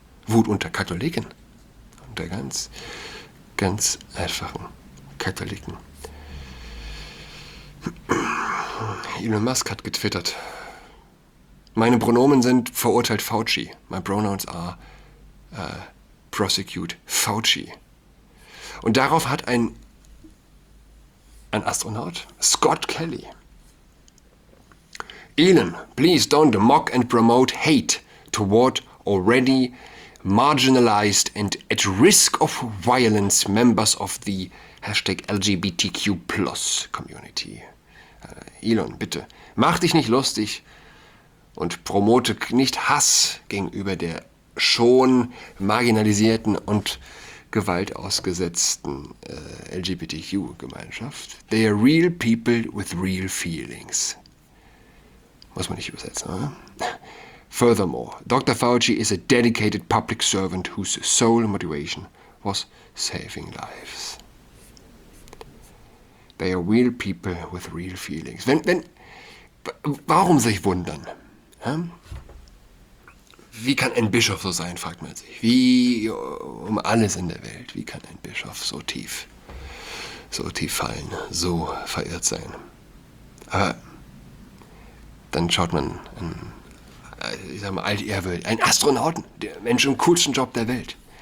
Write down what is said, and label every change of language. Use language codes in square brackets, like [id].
[de] Wut unter Katholiken, unter ganz, ganz einfachen Katholiken. Elon Musk hat getwittert, meine Pronomen sind verurteilt Fauci. [en] My pronouns are prosecute Fauci. [de] Und darauf hat ein Astronaut, [en] Scott Kelly, Elon, please don't mock and promote hate toward already marginalized and at risk of violence members of the #LGBTQ+ community. [de] Elon, bitte, mach dich nicht lustig und promote nicht Hass gegenüber der schon marginalisierten und Gewalt ausgesetzten LGBTQ-Gemeinschaft. [en] They are real people with real feelings. [de] Muss man nicht übersetzen, oder? [en] Furthermore, Dr. Fauci is a dedicated public servant whose sole motivation was saving lives. They are real people with real feelings. [de] Warum sich wundern? Hä? Wie kann ein Bischof so sein, fragt man sich. Wie um alles in der Welt, wie kann ein Bischof so tief fallen, so verirrt sein? Aber dann schaut man ein Astronauten, der Mensch im coolsten Job der Welt.